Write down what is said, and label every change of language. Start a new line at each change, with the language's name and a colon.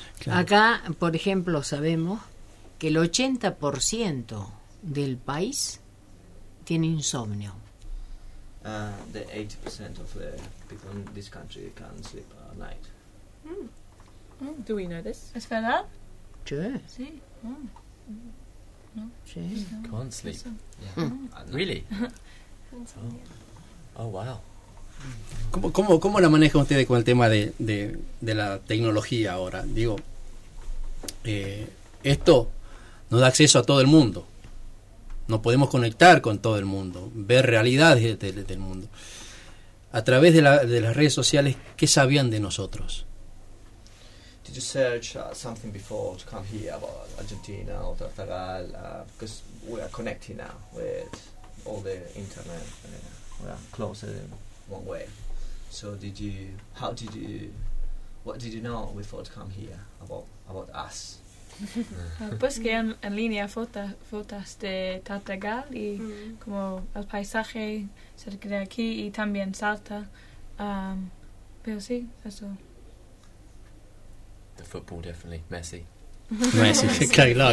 Spanish: Acá, por ejemplo, sabemos que el 80% del país tiene insomnio.
English: The 80% of the people in this country can't sleep at night. Do we know this?
Spanish: ¿Es verdad? Sí. Sí.
English: Can't sleep. Yeah. Really?
Spanish: Insomnio.
English: Oh. Oh wow.
Spanish: ¿Cómo la manejan ustedes con el tema de la tecnología ahora? Digo, esto nos da acceso a todo el mundo. Nos podemos conectar con todo el mundo, ver realidades del mundo. A través de las redes sociales, ¿qué sabían de nosotros?
English: Did you search something before to come here about Argentina or Tartagal? Because we are connecting now with all the internet. We are closer in one way. So what did you know before to come here about us?
Spanish: Busqué en línea fotos de Tartagal y como el paisaje cerca de aquí y también Salta. Pero sí, eso.
English: The football, definitely. Messi.
Spanish: Messi, claro.